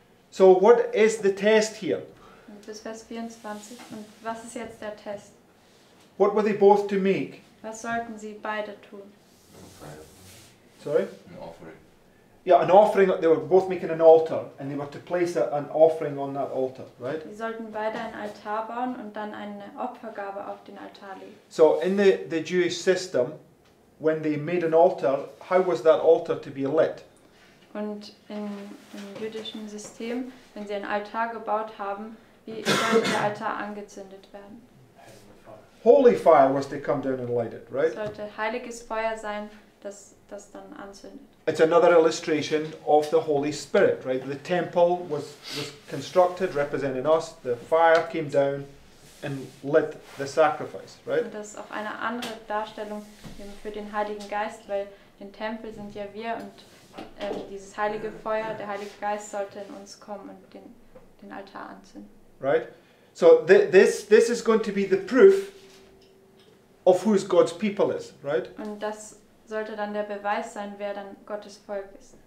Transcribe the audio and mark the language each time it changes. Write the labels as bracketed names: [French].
[English] So what is the test here? [German] Bis Vers 24. Und was ist jetzt der Test? [English] What were they both to make? [German] Was sollten sie beide tun? [English] Sorry? An offering. Yeah, an offering. They were both making an altar, and they were to place an offering on that altar, right? [German] Sie sollten beide einen Altar bauen und dann eine Opfergabe auf den Altar legen. [English] So in the Jewish system, when they made an altar, how was that altar to be lit? [German] Und im jüdischen System, wenn sie einen Altar gebaut haben, wie soll der Altar angezündet werden? [English] Holy fire was to come down and light it, right? [German] Sollte heiliges Feuer sein, das dann anzündet. [English] It's another illustration of the Holy Spirit, right? The temple was constructed representing us. The fire came down and lit the sacrifice, right? [German] Und das ist auch eine andere Darstellung eben für den Heiligen Geist, weil im Tempel sind ja wir und dieses heilige Feuer, der Heilige Geist sollte in uns kommen und den Altar anzünden. [English] Right? So this is going to be the proof of who God's people is, right? [German] Und das sollte dann der Beweis sein, wer dann Gottes Volk ist.